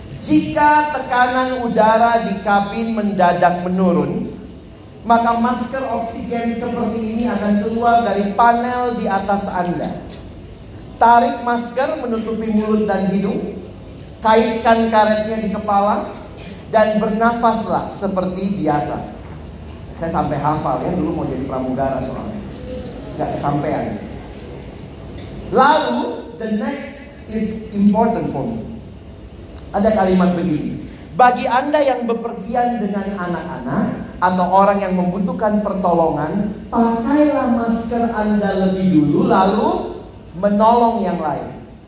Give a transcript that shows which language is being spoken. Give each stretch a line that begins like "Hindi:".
Indonesian: Jika tekanan udara di kabin mendadak menurun, maka masker oksigen seperti ini akan keluar dari panel di atas Anda. Tarik masker menutupi mulut dan hidung, kaitkan karetnya di kepala, dan bernafaslah seperti biasa. Saya sampai hafal ya, dulu mau jadi pramugara soalnya. Gak kesampaian. Lalu,
English: the next is important for me.
Indonesian: Ada kalimat begini. Bagi Anda yang bepergian dengan anak-anak, atau orang yang membutuhkan pertolongan, pakailah masker Anda lebih dulu, lalu menolong yang lain.